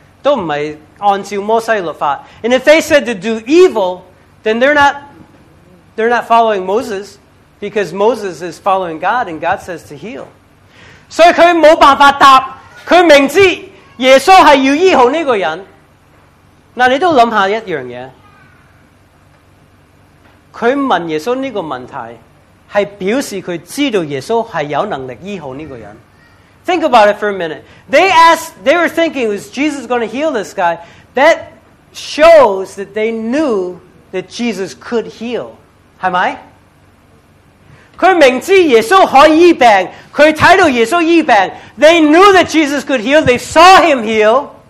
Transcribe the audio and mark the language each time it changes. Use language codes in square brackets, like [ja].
[zh] 都不是按照摩西律法, [en] and if they said to do evil, then they're not following Moses, because Moses is following God, and God says to heal. [zh] 所以他沒有辦法回答,他明知耶穌是要醫好這個人,那你都想一下一件事,他問耶穌這個問題,是表示他知道耶穌是有能力醫好這個人。 [en] Think about it for a minute. They asked, they were thinking, was Jesus going to heal this guy? That shows that they knew that Jesus could heal. [zh] 是不是? 他明知耶稣可以医病,他看到耶稣医病, [en] they knew that Jesus could heal, they saw him heal,